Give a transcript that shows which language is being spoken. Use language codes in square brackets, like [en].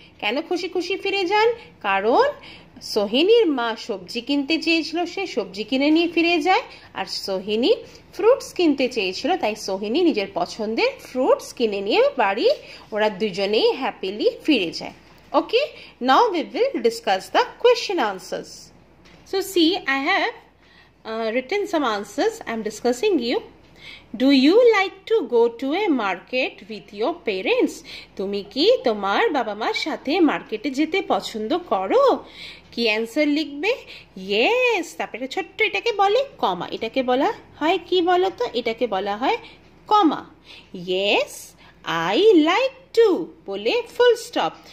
[bn] কেন খুশি খুশি ফিরে যান, কারণ সোহিনীর মা সবজি কিনতে চেয়েছিল, সে সবজি কিনে নিয়ে ফিরে যায়, আর সোহিনী ফ্রুটস কিনতে চেয়েছিল, তাই সোহিনী নিজের পছন্দের ফ্রুটস কিনে নিয়ে বাড়ি ওরা দুজনেই হ্যাপিলি ফিরে যায়। [en] Okay, now we will discuss the question answers. So see, I have written some answers, I am discussing you. Do you like to go to a market with your parents? [bn] তুমি কি তোমার বাবা মার সাথে মার্কেটে যেতে পছন্দ করো? কি অ্যান্সার লিখবে? ইয়েস। তারপরে ছোট্ট এটাকে বলে কমা, এটাকে বলা হয় কি বলতো, এটাকে বলা হয় কমা। [en] Yes I like to বলে full stop.